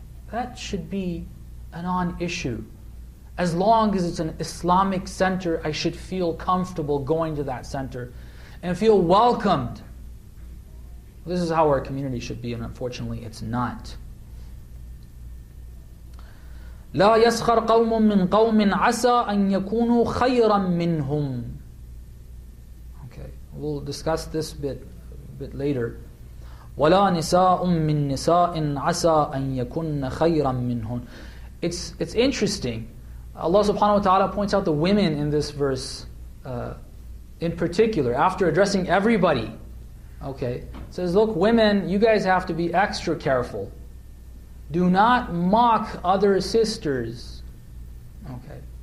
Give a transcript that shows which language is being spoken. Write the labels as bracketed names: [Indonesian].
[English] That should be a non-issue. As long as it's an Islamic center, I should feel comfortable going to that center and feel welcomed. This is how our community should be, and unfortunately it's not. [Arabic] لا يسخر قوم من قوم عسى أن يكونوا خيرا منهم. [English] Okay, we'll discuss this bit later. [Arabic] ولا نساء من نساء عسى أن يكون خيرا منهم. [English] It's interesting. Allah subhanahu wa ta'ala points out the women in this verse, in particular, after addressing everybody. Okay, it says, look, women, you guys have to be extra careful. Do not mock other sisters. Okay.